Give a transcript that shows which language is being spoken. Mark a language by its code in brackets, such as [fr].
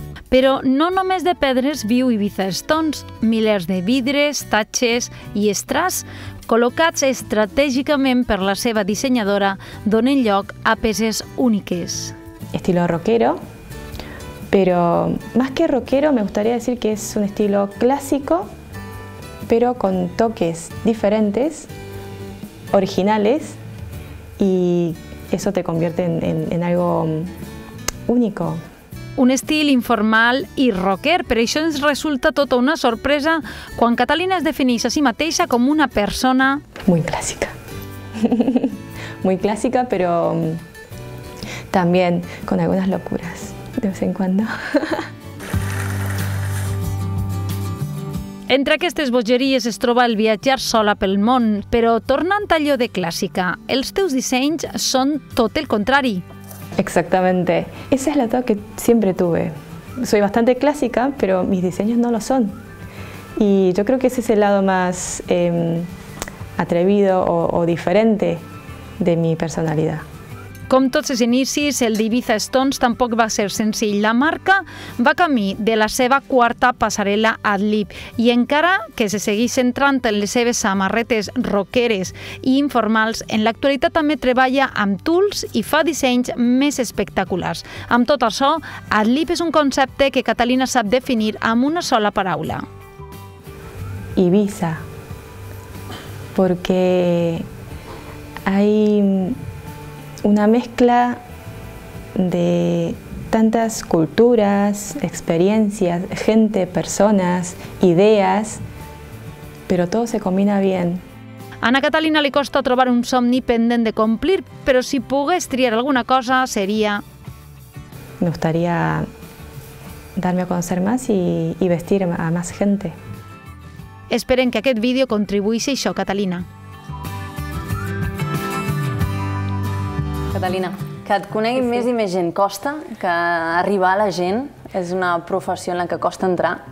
[ca] Però no només de pedres viu Eivissa Stones, milers de vidres, tatxes i estràs col·locats estratègicament per la seva dissenyadora, donen lloc a peces úniques. [es] Estilo rockero, pero más que rockero me gustaría decir que es un estilo clásico, pero con toques diferentes, originales, y eso te convierte en algo único. [ca] Un estil informal i rocker, per això ens resulta tota una sorpresa quan Catalina es defineix a si mateixa com una persona... [es] Muy clàssica. Muy clàssica, però també con algunas locuras, de vez en cuando. [ca] Entre aquestes bogeries es troba el viatjar sola pel món, però tornant a allò de clàssica, els teus dissenys són tot el contrari. [es] Exactamente. Esa es la edad que siempre tuve. Soy bastante clásica, pero mis diseños no lo son. Y yo creo que ese es el lado más atrevido o diferente de mi personalidad. [ca] Com tots els inicis, el d'Eivissa Stones tampoc va ser senzill. La marca va camí de la seva quarta passarel·la Art Lib i encara que se segueix centrant en les seves samarretes rockeres i informals, en l'actualitat també treballa amb tools i fa dissenys més espectaculars. Amb tot això, Art Lib és un concepte que Catalina sap definir amb una sola paraula. Eivissa. [es] Porque hay una mezcla de tantas culturas, experiencias, gente, personas, ideas, pero todo se combina bien. [ca] A Anna Catalina li costa trobar un somni pendent de complir, però si pogués triar alguna cosa seria... [es] Me gustaría darme a conocer más y vestir a más gente. [ca] Esperen que aquest vídeo contribueixi a això, Catalina. Catalina, que et conegui sí, sí. més i més gent costa, que arribar a la gent és una professió en la que costa entrar.